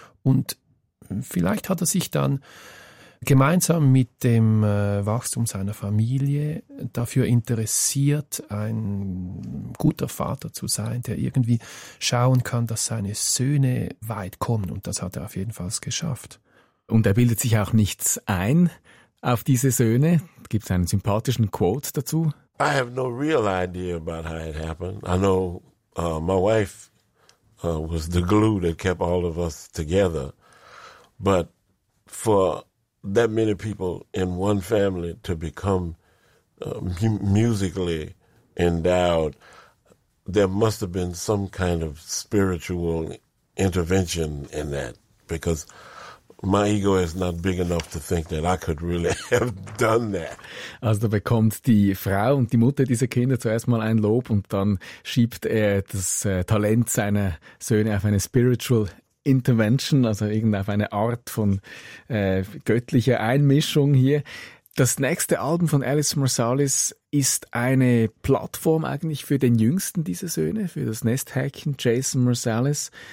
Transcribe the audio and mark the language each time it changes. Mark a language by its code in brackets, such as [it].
[de] Und vielleicht hat er sich dann gemeinsam mit dem Wachstum seiner Familie dafür interessiert, ein guter Vater zu sein, der irgendwie schauen kann, dass seine Söhne weit kommen. Und das hat er auf jeden Fall geschafft. Und er bildet sich auch nichts ein auf diese Söhne. Gibt es einen sympathischen Quote dazu? [en] I have no real idea about how it happened. I know my wife was the glue that kept all of us together. But for that many people in one family to become musically endowed, there must have been some kind of spiritual intervention in that, because my ego is not big enough to think that I could really have done that. [de] Also da bekommt die Frau und die Mutter dieser Kinder zuerst mal ein Lob und dann schiebt er das Talent seiner Söhne auf eine spiritual Intervention, also irgendeine Art von göttlicher Einmischung hier. Das nächste Album von Alice Marsalis ist eine Plattform eigentlich für den jüngsten dieser Söhne, für das Nesthäkchen Jason Marsalis.